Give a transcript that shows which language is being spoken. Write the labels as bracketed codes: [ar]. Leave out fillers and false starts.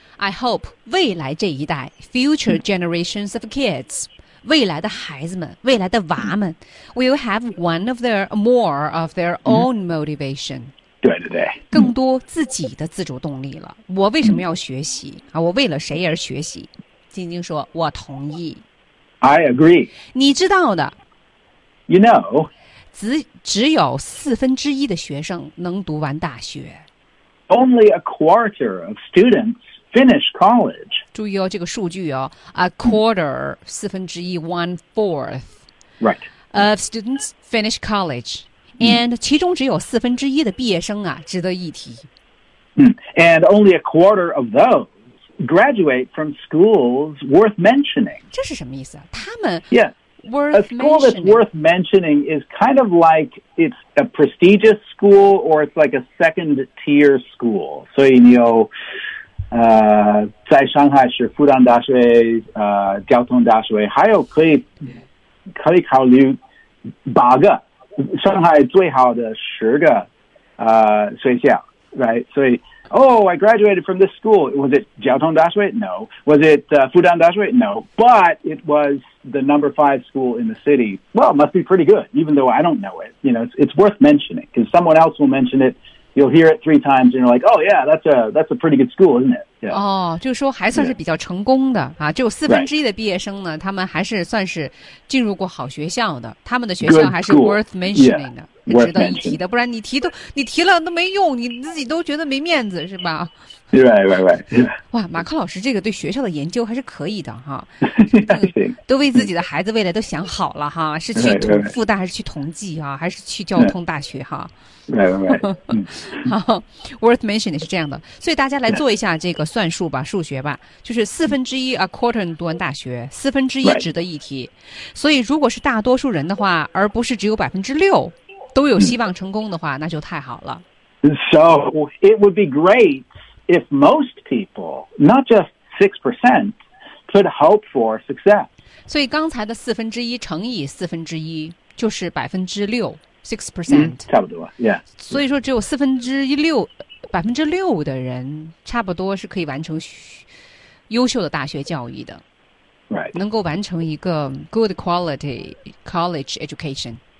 [en] I hope [zh] 未来这一代 [en] future generations of kids [zh] 未来的孩子们未来的娃们 [en] will have one of their more of their own motivation [zh] 对对对更多自己的自主动力了我为什么要学习、啊、我为了谁而学习晶晶说我同意 [en] I agree [zh] 你知道的 [en] You know [zh] 只有四分之一的学生能读完大学 [en] Only a quarter of studentsFinish college. [zh] 注意哦，这个数据哦 ， [en] a quarter, [zh] 四分之一 ,1/4 [en] right. of students finish college. [zh] And 其中只有四分之一的毕业生啊，值得一提。 [en] And only a quarter of those graduate from schools worth mentioning. [zh] 这是什么意思啊？他们 [en] yeah. worth a school mentioning. That's worth mentioning is kind of like it's a prestigious school or it's like a second tier school. So you know, [zh] 在上海是复旦大学、交通大学，还有可以考虑八个上海最好的十个学校 ，right？所以 [en] ，Oh, I graduated from this school. Was it 交通大学 ？No. Was it 复旦大学 ？No. But it was the number five school in the city. Well, must be pretty good, even though I don't know it. You know, it's worth mentioning because someone else will mention it. You'll hear it three times, and you're like, "Oh, yeah, that's a pretty good school, isn't it?" Yeah. [zh] 哦，就是说还算是比较成功的、yeah. 啊，就四分之一的毕业生呢， [en] right. [zh] 他们还是算是进入过好学校的，他们的学校还是 worth mentioning 的， [en] yeah. [zh] 值得一提的，不然你提了都没用，你自己都觉得没面子是吧 [en] ？Right. [zh] 哇，马克老师这个对学校的研究还是可以的哈， [en] yeah, I think. [zh] 都为自己的孩子未来都想好了哈，是去复旦、 [en] right. [zh] 还是去同济啊，还是去交通大学哈？ [en] Yeah. Right. [zh] 好 ， [en] worth mentioning [zh] 是这样的，所以大家来做一下这个算术吧， yeah. 数学吧，就是四分之一 [en] a quarter [zh] 读完大学，四分之一值得一提。 [en] Right. [zh] 所以如果是大多数人的话，而不是只有6%都有希望成功的话， mm. 那就太好了。 [en] So it would be great if most people, not just 6%, could hope for success. [zh] 所以刚才的四分之一乘以四分之一就是6%。 6%、差不多 ，Yeah。所以说，只有四分之一六，6%的人，差不多是可以完成优秀的大学教育的 [en] ，Right？ [zh] 能够完成一个 [en] good quality college education。